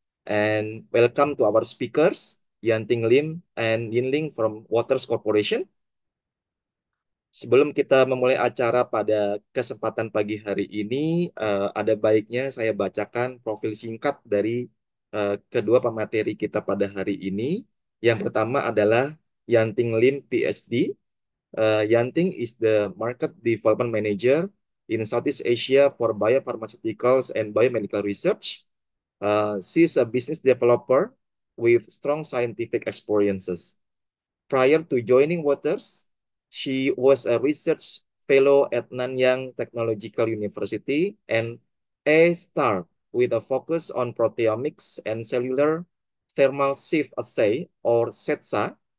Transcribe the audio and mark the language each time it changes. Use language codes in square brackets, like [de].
[en] And welcome to our speakers, Yan Ting Lim and Yin Ling from Waters Corporation. [id] Sebelum kita memulai acara pada kesempatan pagi hari ini, ada baiknya saya bacakan profil singkat dari kedua pemateri kita pada hari ini. Yang pertama adalah Yan Ting Lim, PhD. [en] Yan Ting is the Market Development Manager in Southeast Asia for Biopharmaceuticals and Biomedical Research. She is a business developer with strong scientific experiences. Prior to joining Waters, she was a research fellow at Nanyang Technological University and a star with a focus on proteomics and cellular thermal shift assay, or CETSA.